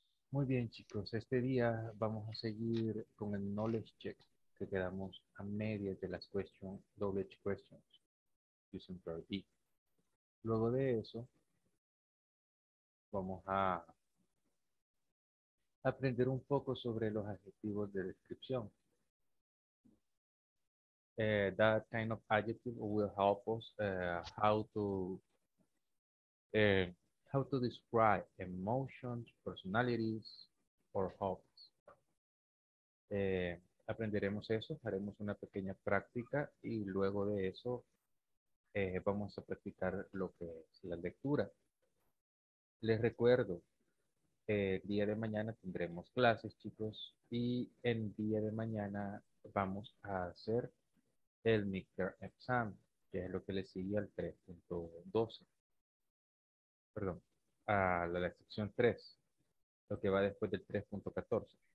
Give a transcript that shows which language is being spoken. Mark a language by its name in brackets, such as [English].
[Spanish] Muy bien, chicos. Este día vamos a seguir con el knowledge check, que quedamos a medias de las [English] question, knowledge questions, using priority. [Spanish] Luego de eso, vamos a aprender un poco sobre los adjetivos de descripción. [English] That kind of adjective will help us how to describe emotions, personalities, or hopes. [Spanish] Aprenderemos eso, haremos una pequeña práctica y luego de eso vamos a practicar lo que es la lectura. Les recuerdo, el día de mañana tendremos clases, chicos, y el día de mañana vamos a hacer el midterm exam, que es lo que le sigue al 3.12, perdón, a la sección 3, lo que va después del 3.14.